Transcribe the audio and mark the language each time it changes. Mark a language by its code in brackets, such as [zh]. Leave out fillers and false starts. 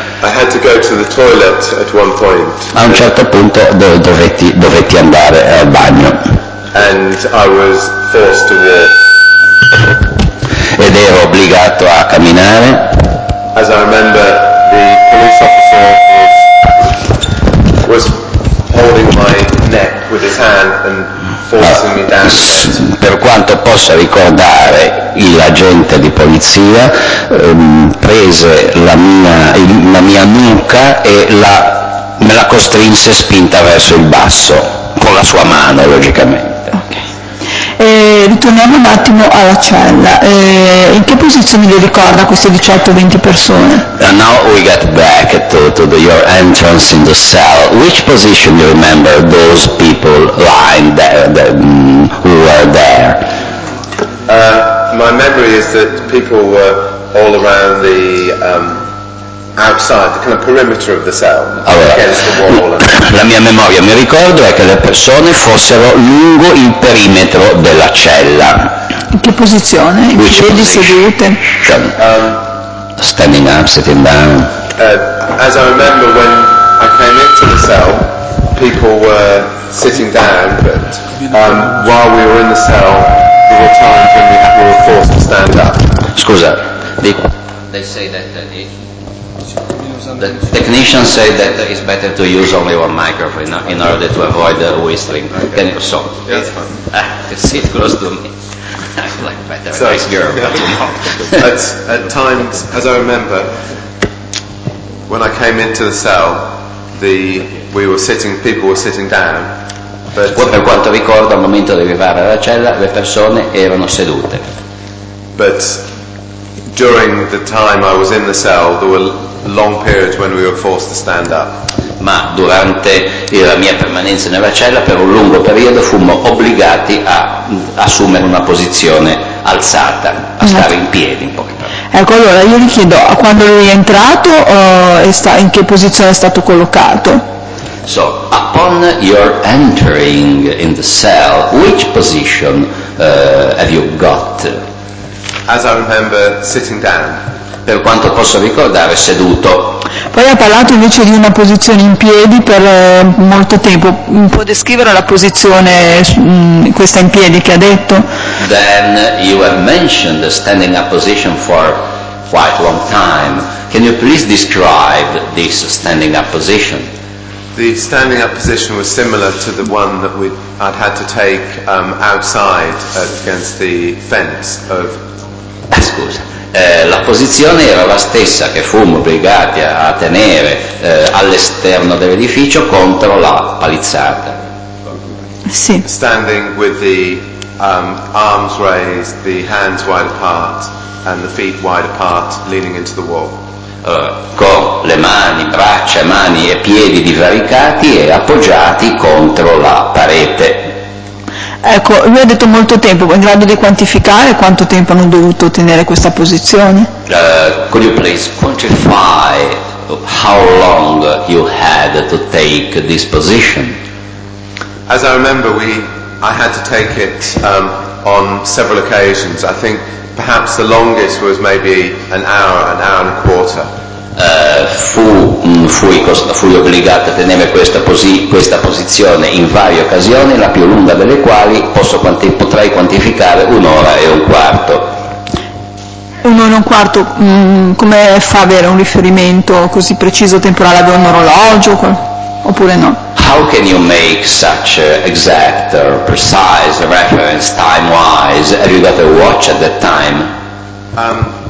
[en] I had to go to the toilet at one point. [it] A un certo punto dovetti andare al bagno. [en] and I was forced to walk. [it] Ed ero obbligato a camminare. [en] As I remember, the police officer was holding my neck with his hand and forcing me down. [it] Per quanto possa ricordare, l'agente di polizia prese la mia nuca e me la costrinse spinta verso il basso con la sua mano, logicamente. Okay. Ritorniamo un attimo alla cella. In che posizione le ricorda queste 18-20 persone? [en] And now we get back to your entrance in the cell. Which position do you remember those people lying there, who were there? My memory is that people were all around the outside, the kind of perimeter of the cell, [it] allora, [en] against the wall. [it] La mia memoria, mi ricordo, è che le persone fossero lungo il perimetro della cella. In che posizione? In [en] Which [it] piedi [en] position? [it] Sedute? [en] Standing up, sitting down. As I remember, when I came into the cell, people were sitting down, but while we were in the cell, there were times when we were forced to stand up. [it] Scusa. [en] They say that the technician said that it's better to use only one microphone in order to avoid the whistling. Okay. Can you so? Yes. Sit close to me. Like better, so, nice girl. Yeah. at times, as I remember, when I came into the cell, people were sitting down. [it] Poi per quanto ricordo, al momento di arrivare alla cella, le persone erano sedute. [en] But during the time I was in the cell, there were long periods when we were forced to stand up. [it] Ma durante la mia permanenza nella cella, per un lungo periodo fummo obbligati a assumere una posizione alzata, a stare in piedi un po'. Ecco, allora io gli chiedo, quando lui è entrato, in che posizione è stato collocato? [en] So, upon your entering in the cell, which position have you got? As I remember, sitting down. [it] Per quanto posso ricordare, seduto. Poi ha parlato invece di una posizione in piedi per molto tempo. Può descrivere la posizione questa in piedi che ha detto? [en] Then you have mentioned the standing up position for quite a long time. Can you please describe this standing up position? The standing up position was similar to the one that I'd had to take outside against the fence of... [it] Scusa. La posizione era la stessa che fummo obbligati a tenere all'esterno dell'edificio contro la palizzata. Sì. [en] Standing with the arms raised, the hands wide apart and the feet wide apart, leaning into the wall. [it] Con le mani, braccia, mani e piedi divaricati e appoggiati contro la parete. Ecco, lui ha detto molto tempo, in grado di quantificare quanto tempo hanno dovuto tenere questa posizione? [en] Could you please quantify how long you had to take this position? As I remember, I had to take it on several occasions. I think perhaps the longest was maybe an hour and a quarter. [it] Fui obbligato a tenere questa posizione in varie occasioni, la più lunga delle quali potrei quantificare un'ora e un quarto. Un'ora e un quarto, come fa avere un riferimento così preciso temporale? Aveva un orologio oppure no? [en] How can you make such exact or precise reference time wise? Have you got a watch at that time?